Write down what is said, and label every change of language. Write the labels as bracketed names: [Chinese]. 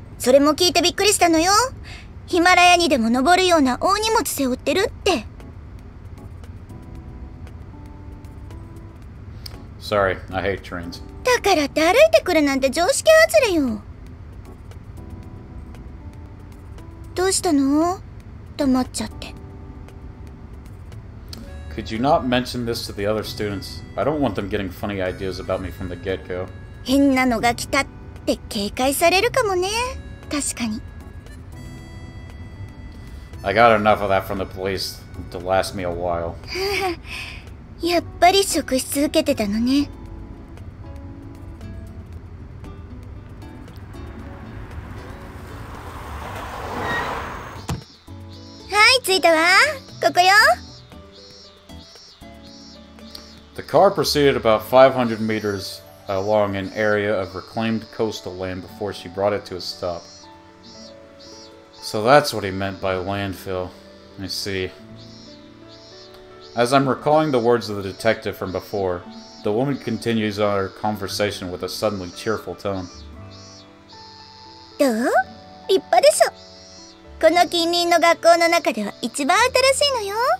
[Japanese] 大地、ここにだって本数は少ないけど電車は通ってるんだから、それで来ればよかったのに歩いてきちゃうんだもの。それも聞いてびっくりしたのよ!ヒマラヤにでも登るような大荷物背負ってるって! [English] Sorry, I hate trains. [Japanese] だからって歩いてくるなんて常識外れよ。どうしたの?黙っちゃって。 [English] Could you not mention this to the other students? I don't want them getting funny ideas about me from the get-go. [Japanese] 変なのが来たって警戒されるかもね。確かに。 [English] I got enough of that from the police to last me a while. [Japanese] やっぱり職し続けてたのね。着いたわ。ここよ。 [English] The car proceeded about 500 meters along an area of reclaimed coastal land before she brought it to a stop. So that's what he meant by landfill. I see. As I'm recalling the words of the detective from before, the woman continues on her conversation with a suddenly cheerful tone. [Japanese] どう?立派でしょ? この近隣の学校の中では一番新しいのよ!